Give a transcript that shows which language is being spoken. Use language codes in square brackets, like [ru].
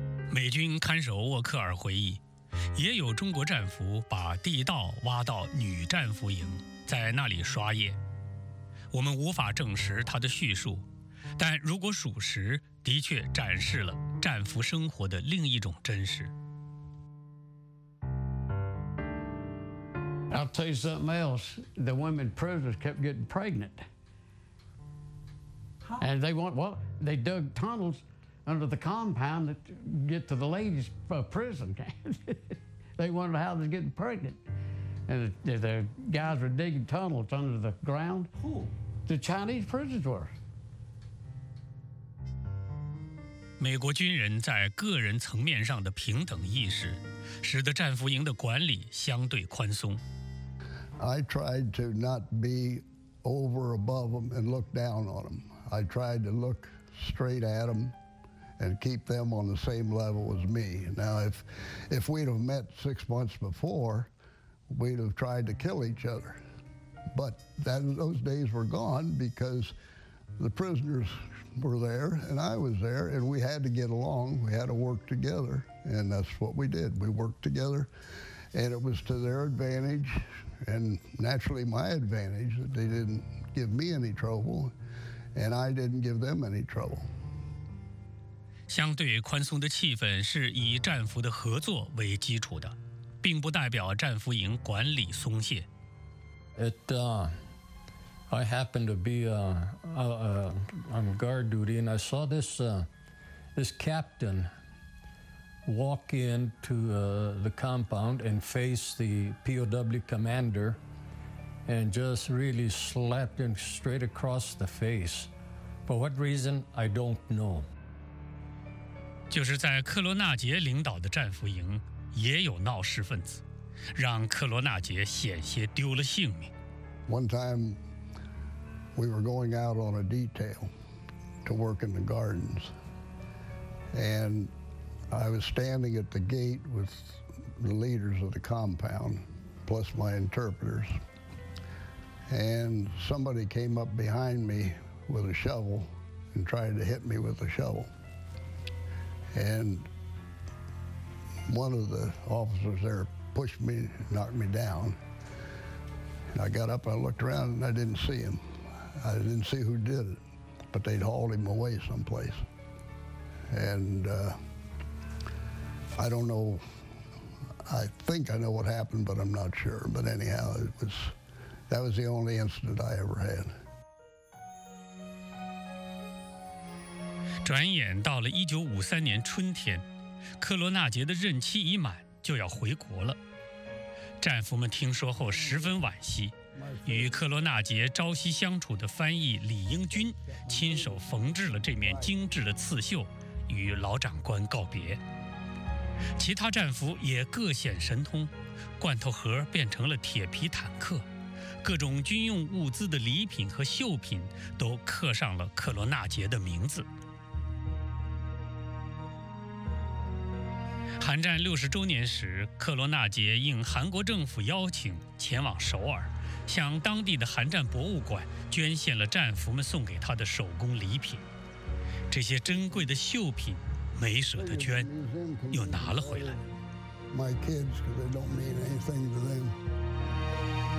[zh] 美军看守沃克尔回忆，也有中国战俘把地道挖到女战俘营，在那里刷夜。我们无法证实他的叙述，但如果属实，的确展示了战俘生活的另一种真实。 [en] I'll tell you something else. The women prisoners kept getting pregnant, and they dug tunnels. Under the compound to get to the ladies' prison. They wondered how they're getting pregnant. And the guys were digging tunnels under the ground. Who? The Chinese prisoners were. [zh] 美国军人在个人层面上的平等意识使得战俘营的管理相对宽松。 [en] I tried to not be over above them and look down on them. I tried to look straight at them. And keep them on the same level as me. Now, if we'd have met 6 months before, we'd have tried to kill each other. But those days were gone because the prisoners were there and I was there, and we had to get along. We had to work together, and that's what we did. We worked together, And it was to their advantage, and naturally my advantage, that they didn't give me any trouble, and I didn't give them any trouble. [zh] 相对宽松的气氛是以战俘的合作为基础的，并不代表战俘营管理松懈。 [en] I happened to be on guard duty, and I saw this captain walk into the compound and face the POW commander and just really slapped him straight across the face. For what reason, I don't know. [zh] 就是在克罗纳杰领导的战俘营也有闹事分子，让克罗纳杰险些丢了性命。 [en] One time, we were going out on a detail to work in the gardens, and I was standing at the gate with the leaders of the compound, plus my interpreters, and somebody came up behind me with a shovel and tried to hit me with a shovel. And one of the officers there pushed me, knocked me down. And I got up and I looked around and I didn't see him. I didn't see who did it, but they'd hauled him away someplace. And I don't know, I think I know what happened, but I'm not sure. But anyhow, that was the only incident I ever had. [zh] 转眼到了1953年春天，克罗纳杰的任期已满，就要回国了。战俘们听说后十分惋惜，与克罗纳杰朝夕相处的翻译李英军亲手缝制了这面精致的刺绣，与老长官告别。其他战俘也各显神通，罐头盒变成了铁皮坦克，各种军用物资的礼品和绣品都刻上了克罗纳杰的名字。韩战60周年时，克罗纳杰应韩国政府邀请前往首尔，向当地的韩战博物馆捐献了战俘们送给他的手工礼品。这些珍贵的绣品没舍得捐，又拿了回来。 [en] My kids, 'cause they don't mean anything to them.